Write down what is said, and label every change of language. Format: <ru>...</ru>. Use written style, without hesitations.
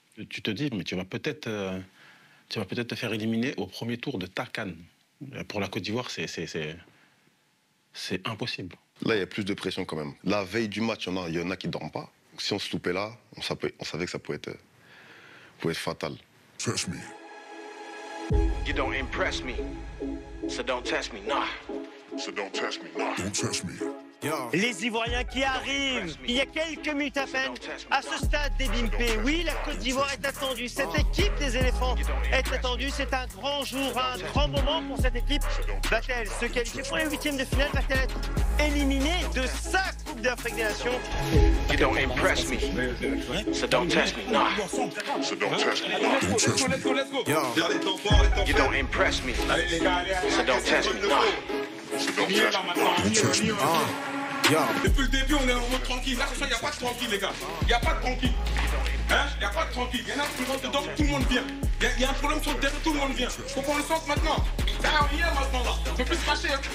<fr>Tu te dis, mais tu vas peut-être te faire éliminer au premier tour de ta CAN. Pour la Côte d'Ivoire, c'est impossible. Là, il y a plus de pression quand même. La veille du match, il y en a qui ne dorment pas. Si on se loupait là, on savait que ça pouvait être fatal.</fr> <en>Trust me. You don't impress me, so don't test me, nah. So don't test me, nah. Don't test me. Yo.</en> <fr>Les Ivoiriens qui arrivent, il y a quelques minutes à peine, à ce stade des Bimpé. Oui, la Côte d'Ivoire est attendue, cette équipe des éléphants est attendue. C'est un grand jour, un grand moment pour cette équipe. Va-t-elle se qualifier pour les huitièmes de finale? Va-t-elle être éliminée de sa Coupe d'Afrique des Nations?</fr> <en>You don't impress me, so don't test me, nah. So don't test me, nah. Let's go, let's go, let's go. Yo. You don't impress me, so don't test me, nah.</en> <fr>Depuis le début, on est en mode tranquille. Là, ce soir, il n'y a pas de tranquille, les gars. Il n'y a pas de tranquille. Hein? Il n'y a pas de tranquille. Il y en a qui rentrent dedans, tout le monde vient. Il y a un problème sur le terrain, tout le monde vient. Il faut qu'on le sorte maintenant. Là, on y est maintenant, là. On ne peut plus se cacher.</fr>